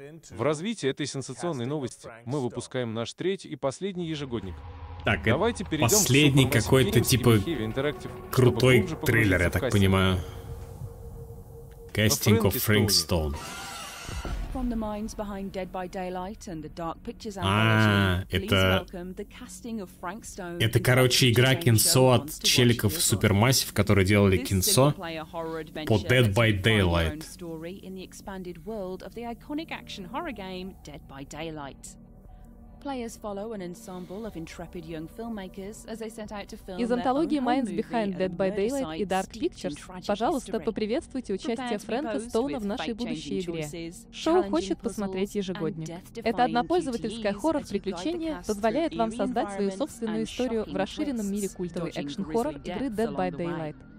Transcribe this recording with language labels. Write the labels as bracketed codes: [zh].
[ru] В развитии этой сенсационной новости мы выпускаем наш третий и последний ежегодник. Так, давайте перейдем последний к какой-то типа крутой трейлер, я так понимаю. [en] Casting of Frank Stone. From the minds behind Dead by Daylight and the Dark Pictures Anthology, please welcome the casting of Frank Stone. [ru] Это, короче, игра Кинсо от челиков Supermassive, которые делали Кинсо по Dead by Daylight. [en] Story in the expanded world of the iconic action horror game Dead by Daylight. Players follow an ensemble of intrepid young filmmakers as they set out to film their own home movie. Minds Behind Dead by Daylight и Dark Pictures. [ru] Пожалуйста, поприветствуйте участие Фрэнка Стоуна в нашей будущей игре. Шоу хочет посмотреть ежегодник. Это однопользовательское хоррор-приключение позволяет вам создать свою собственную историю в расширенном мире культовой экшн-хоррор игры Dead by Daylight.